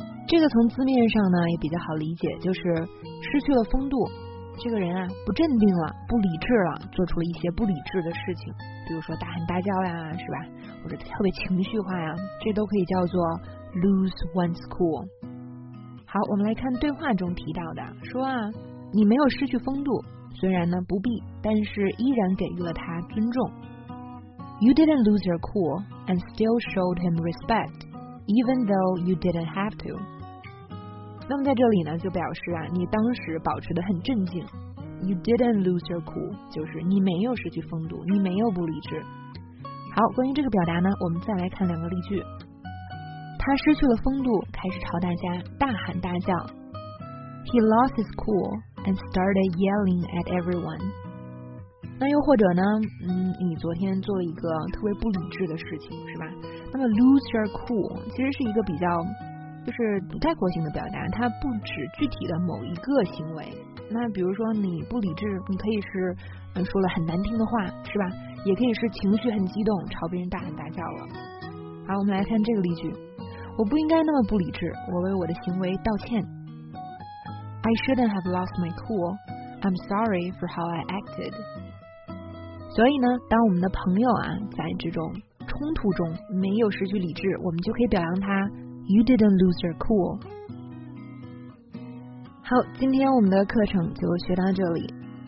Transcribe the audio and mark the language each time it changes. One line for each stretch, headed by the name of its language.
Chinese: 这个从字面上呢也比较好理解，就是失去了风度，这个人啊不镇定了，不理智了，做出了一些不理智的事情，比如说大喊大叫呀，是吧？或者特别情绪化呀，这都可以叫做
English: lose one's cool。
Chinese: 好，我们来看对话中提到的，说啊，你没有失去风度，虽然呢不必，但是依然给予了他尊重。
English: You didn't lose your cool and still showed him respect even though you didn't have to。
Chinese: 那么在这里呢就表示啊，你当时保持得很镇静，
English: You didn't lose your cool，
Chinese: 就是你没有失去风度，你没有不理智。好，关于这个表达呢，我们再来看两个例句。他失去了风度，开始朝大家大喊大叫。
English: He lost his cool and started yelling at everyone。
Chinese: 那又或者呢，你昨天做了一个特别不理智的事情，是吧？那么
English: lose your cool
Chinese: 其实是一个比较就是概括性的表达，它不指具体的某一个行为。那比如说你不理智，你可以是说了很难听的话，是吧？也可以是情绪很激动，朝别人大喊大叫了。好，我们来看这个例句：我不应该那么不理智，我为我的行为道歉。
English: I shouldn't have lost my cool. I'm sorry for how I acted.
Chinese: 所以呢，当我们的朋友啊在这种冲突中没有失去理智，我们就可以表扬他 ：
English: You didn't lose your cool.
Chinese: 好，今天我们的课程就学到这里。